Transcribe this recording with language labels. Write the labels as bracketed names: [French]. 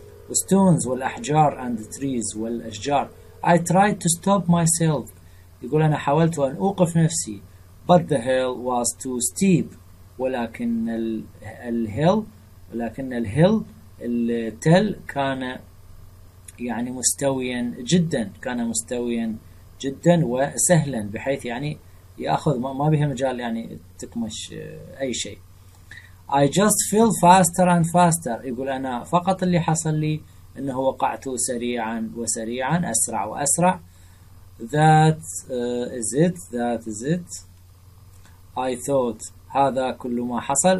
[English] Stones [Arabic] والأحجار [English] and trees [Arabic] والأشجار. [English] I tried to stop myself. [Arabic] يقول أنا حاولت أن أوقف نفسي. [English] But the hill was too steep. [Arabic] ولكن الهيل، ولكن الهيل، التل كان يعني مستويا جدا، كان مستويا جدا وسهلا، بحيث يعني يأخذ ما بها مجال يعني تكمش أي شيء. [English] I just fell faster and faster. [Arabic] يقول أنا فقط اللي حصل لي أنه وقعت سريعا وسريعا، أسرع وأسرع. [English] That is it. That is it. I thought [Arabic] هذا كل ما حصل.